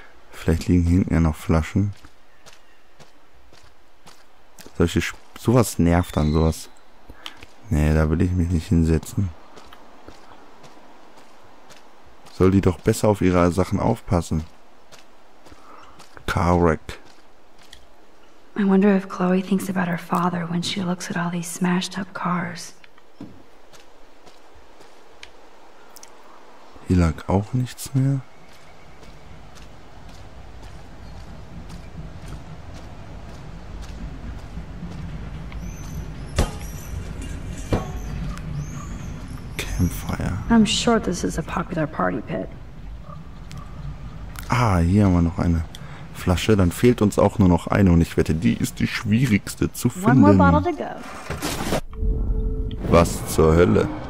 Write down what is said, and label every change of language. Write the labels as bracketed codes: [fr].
[de] Vielleicht liegen hinten ja noch Flaschen. Solche sowas nervt dann, sowas. Nee, da will ich mich nicht hinsetzen. Soll die doch besser auf ihre Sachen aufpassen. [en] Car wreck. I wonder if Chloe thinks about her father when she looks at all these smashed up cars. [de] Hier lag auch nichts mehr. [en] Campfire. I'm sure this is a popular party pit. [de] Ah, hier haben wir noch eine Flasche. Dann fehlt uns auch nur noch eine und ich wette, die ist die schwierigste zu finden. [en] One more bottle to go. [de] Was zur Hölle?